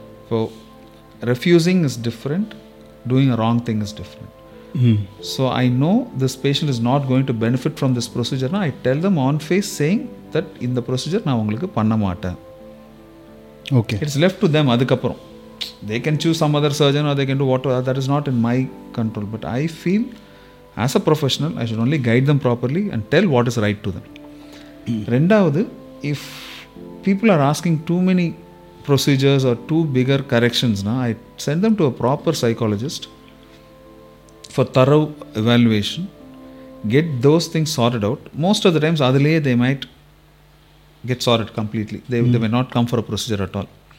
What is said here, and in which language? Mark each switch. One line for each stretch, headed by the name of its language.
English: So refusing is different, doing a wrong thing is different. So I know this patient is not going to benefit from this ப்ரொசீஜர்னா I tell them on face saying that
Tamil: இந்த procedure நான் உங்களுக்கு பண்ண மாட்டேன்.
English: Okay, it's left to them.
Tamil: அதுக்கப்புறம்
English: They can choose some other surgeon or they can do what, that is not in my control. But I feel as a professional I should only guide them properly and tell what is right to them.
Tamil: ரெண்டாவது,
English: If people are asking too many procedures or too bigger கரெக்ஷன்ஸ்னா I send them to a proper psychologist for thorough evaluation, get those things sorted out. Most of the times
Tamil: அதுலேயே
English: They might get sorted completely, they may not come for a procedure at all.